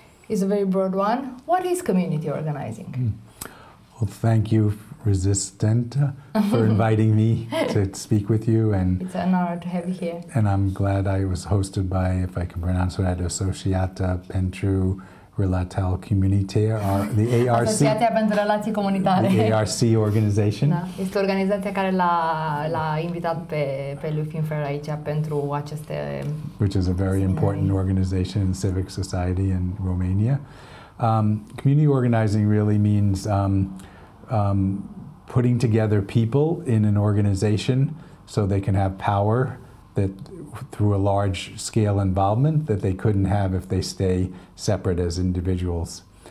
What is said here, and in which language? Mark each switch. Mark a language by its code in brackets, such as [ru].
[en] It's a very broad one. What is community organizing? Well, thank you, Rezistenta, for inviting me to speak with you. And it's an honor to have you here. And I'm glad I was hosted by, if I can pronounce it, Associata Pentru Relatel Comunitare, the ARC. [ro] Asociația pentru Relații Comunitare. [en] The ARC organization. [ro] Da. Este organizația care l-a invitat pe Lu Finfer aici pentru aceste... [en] Which is a very important organization in civic society in Romania. Community organizing really means putting together people in an organization so they can have power that through a large scale involvement that they couldn't have if they stay separate as individuals.